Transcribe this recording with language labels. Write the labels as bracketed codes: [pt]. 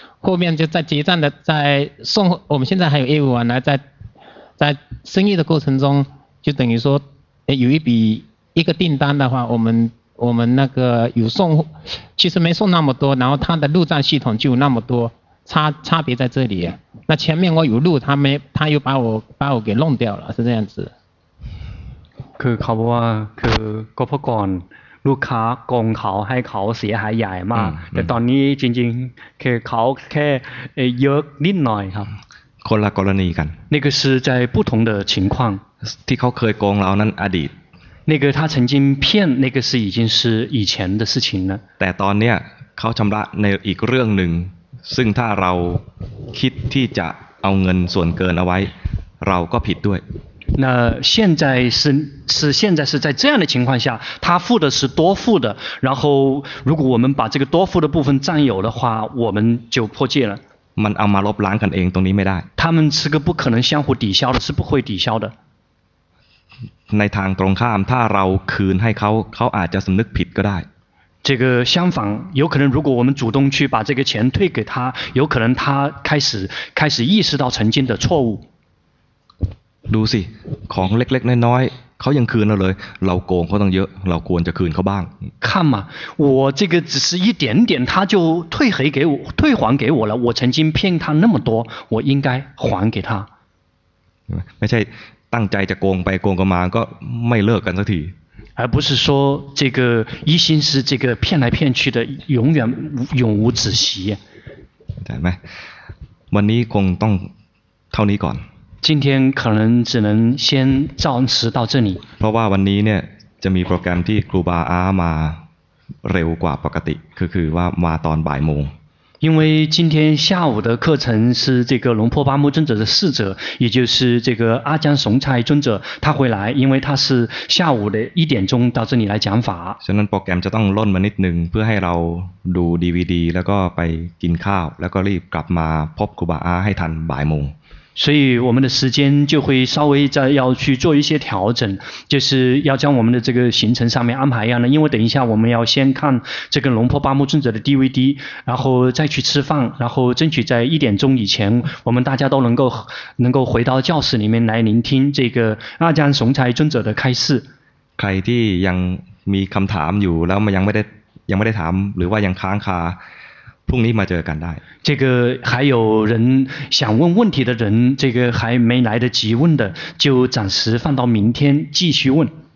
[zh] 后面就在结账的在送我们现在还有业务往来在生意的过程中就等于说有一笔一个订单的话我们那个有送其实没送那么多然后他的入账系统就有那么多差别在这里那前面我有入他又把我给弄掉了是这样子 [th] คือเขาบอกว่าคือก็เพราะก่อนลูกค้าโกงเขาให้เขาเสียหายใหญ่มากแต่ตอนนี้จริงๆคือเขาแค่เยอะนิดหน่อยครับ คนละกรณีกัน นี่คือคือใน [zh] 不同的情况 [th] ที่เขาเคยโกงเรานั้นอดีต [zh] 那个他曾经骗那个是已经是以前的事情了 [th] แต่ตอนเนี้ยเขาชำระในอีกเรื่องหนึ่งซึ่งถ้าเราคิดที่จะเอาเงินส่วนเกินเอาไว้เราก็ผิดด้วย [zh] 那现在是在这样的情况下，他付的是多付的，然后如果我们把这个多付的部分占有的话，我们就破戒了。 [th] มันเอามาลบล้างกันเองตรงนี้ไม่ได้ [zh] 。他们是个不可能相互抵消的，是不会抵消的。 [th] ในทางตรงข้ามถ้าเราคืนให้เขาอาจจะสำนึกผิดก็ได้。 [zh] 这个相反，有可能如果我们主动去把这个钱退给他，有可能他开始意识到曾经的错误。 [th] ดูสิของเล็กๆน้อยๆเขายังคืนเราเลยเราโกงเขาต้องเยอะเราควรจะคืนเขาบ้าง [zh] 看嘛我这个只是一点点他就退还给我了我曾经骗他那么多我应该还给他 [th] ไม่ใช่ตั้งใจจะโกงไปโกงกันมาก็ไม่เลิกกันสักที [zh] 而不是说这个一心是这个骗来骗去的永远永无止息 [th] ใช่ไหมวันนี้คงต้องเท่านี้ก่อน [zh] 今天可能只能先暂时到这里。 [th] เพราะว่าวันนี้เนี่ยจะมีโปรแกรมที่ครูบาอามาเร็วกว่าปกติคือว่ามาตอนบ่ายโมง。 [zh] 因为今天下午的课程是这个龙婆巴木尊者的侍者，也就是这个阿江雄才尊者，他回来，因为他是下午的一点钟到这里来讲法。 [th] ฉะนั้นโปรแกรมจะต้องล่นมานิดนึงเพื่อให้เราดูดีวีดีแล้วก็ไปกินข้าวแล้วก็รีบกลับมาพบครูบาอาให้ทันบ่ายโมง。 [zh] 所以我们的时间就会稍微再要去做一些调整，就是要将我们的这个行程上面安排一样的，因为等一下我们要先看这个龙婆巴木尊者的 DVD， 然后再去吃饭，然后争取在一点钟以前我们大家都能够回到教室里面来聆听这个阿江雄才尊者的开示。 [th] ใครที่ยังมีคำถามอยู่แล้วยังไม่ได้ถามหรือว่ายังค้างคาพรุ่งนี้มาเจอกันได้ [zh] 这个还有人想问问题的人这个还没来得及问的就暂时放到明天继续问